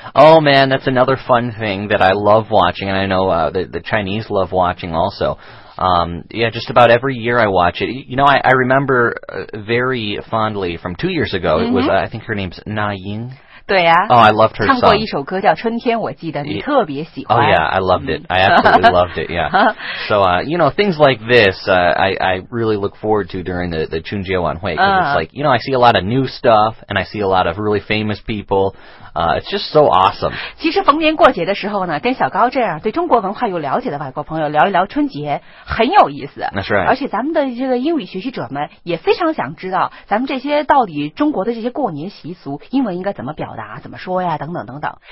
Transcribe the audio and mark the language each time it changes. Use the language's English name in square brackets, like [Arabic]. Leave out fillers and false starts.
[English] Oh, man, that's another fun thing that I love watching, and I know the Chinese love watching also. Yeah, just about every year I watch it. You know, I remember very fondly from 2 years ago, mm-hmm. It was, I think her name's Na Ying. [Chinese] 对呀、啊。 [English] Oh, I loved her song. [Chinese] 唱过一首歌叫春天我记得你特别喜欢。 [English] Oh, yeah, I loved it. I absolutely loved it, yeah. So, you know, things like this, I really look forward to during the 春节晚会, because it's like, you know, I see a lot of new stuff, and I see a lot of really famous people. It's just so awesome. [Chinese] 其实逢年过节的时候呢，跟小高这样对中国文化有了解的外国朋友聊一聊春节，很有意思。 [English] That's right. [Chinese] 而且咱们的这个英语学习者们也非常想知道咱们这些到底中国的这些过年习俗英文应该怎么表达，怎么说呀，等等等等。